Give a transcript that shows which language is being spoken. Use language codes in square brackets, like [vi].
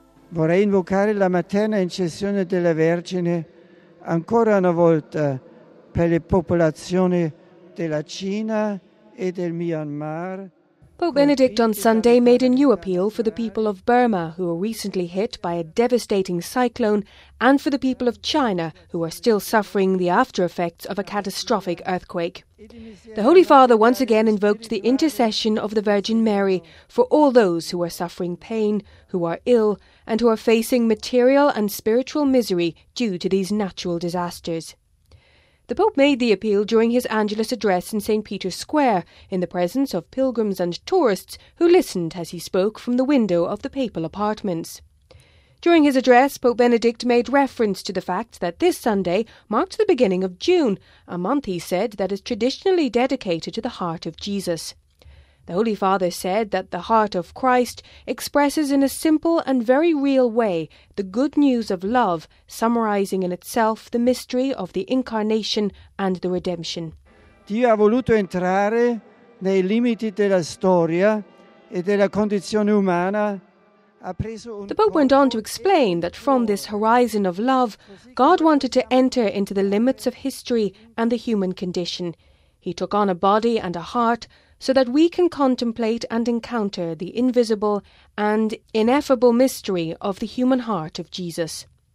[it] Vorrei invocare la materna intercessione della Vergine ancora una volta per le popolazioni della Cina e del Myanmar. [en] Pope Benedict on Sunday made a new appeal for the people of Burma, who were recently hit by a devastating cyclone, and for the people of China, who are still suffering the after effects of a catastrophic earthquake. The Holy Father once again invoked the intercession of the Virgin Mary for all those who are suffering pain, who are ill, and who are facing material and spiritual misery due to these natural disasters. The Pope made the appeal during his Angelus address in St. Peter's Square, in the presence of pilgrims and tourists who listened as he spoke from the window of the papal apartments. During his address, Pope Benedict made reference to the fact that this Sunday marked the beginning of June, a month, he said, that is traditionally dedicated to the heart of Jesus. The Holy Father said that the heart of Christ expresses in a simple and very real way the good news of love, summarizing in itself the mystery of the incarnation and the redemption. [it] Dio ha voluto entrare nei limiti della storia e della condizione umana. [en] The Pope went on to explain that from this horizon of love, God wanted to enter into the limits of history and the human condition. He took on a body and a heart so that we can contemplate and encounter the invisible and ineffable mystery of the human heart of Jesus.